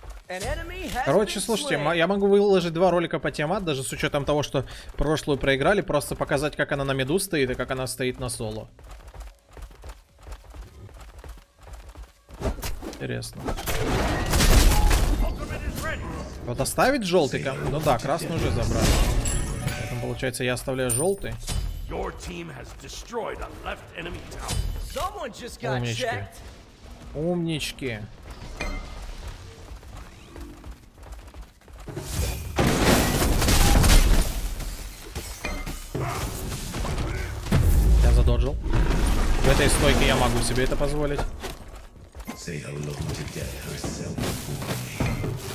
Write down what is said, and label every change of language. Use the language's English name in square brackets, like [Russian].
[Russian] Интересно, интересно. Короче, слушайте, я могу выложить два ролика по Тиамат, даже с учетом того, что прошлую проиграли, просто показать, как она на миду стоит и как она стоит на соло. Интересно. Вот оставить желтый ком? Ну да, красный уже забрал. Поэтому получается, я оставляю желтый. [English] Your team has destroyed a left enemy tower. Someone just got checked. [Russian] Умнички. Я задоджил. В этой стойке я могу себе это позволить. [English] Say hello to death herself.